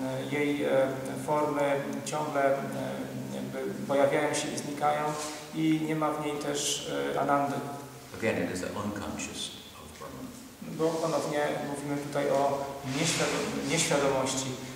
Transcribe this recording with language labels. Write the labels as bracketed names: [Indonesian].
[Polish] Jej formy ciągle jakby pojawiają się i znikają i nie ma w niej też anandy. [English] Again, it is the unconscious of Brahman. [Polish] Bo ponownie mówimy tutaj o nieświadomości.